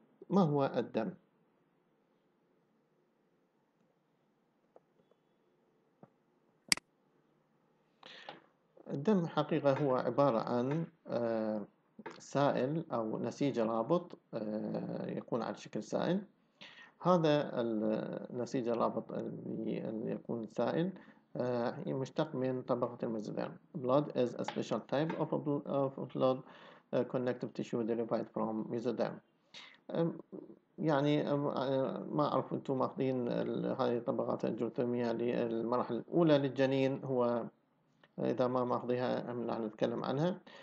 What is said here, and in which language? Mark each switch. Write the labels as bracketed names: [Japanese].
[Arabic] ما هو الدم؟ الدم حقيقة هو عبارة عن سائل أو نسيج رابط، يكون على شكل سائل. هذا النسيج الرابط اللي يكون سائل مشتق من طبقة المزيدان. [English] Blood is a special type of blood connective tissue derived from mesoderm. [Arabic] يعني ما أعرف أنتم ماخذين هذه الطبقات الجرثومية للمرحلة الأولى للجنين، هو إذا ما ماخذيها راح نتكلم عنها.